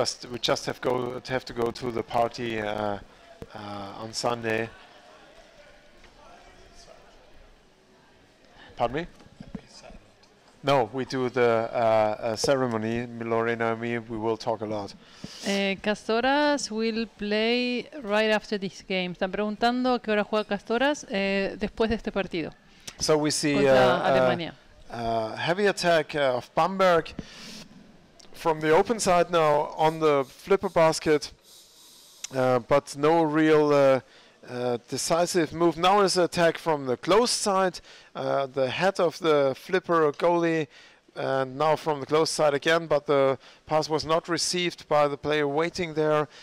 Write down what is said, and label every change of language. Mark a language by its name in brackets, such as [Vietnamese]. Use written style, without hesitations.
[English] We just have to go to the party on Sunday. Pardon me? No, we do the ceremony, Lorena and me, we will talk a lot. Castoras will play right after this game. [Spanish] Están preguntando a qué hora juega Castoras después de este partido. [English] So we see a heavy attack of Bamberg from the open side now on the Flipper basket, but no real decisive move. Now is an attack from the close side, the head of the Flipper goalie, and now from the close side again, but the pass was not received by the player waiting there.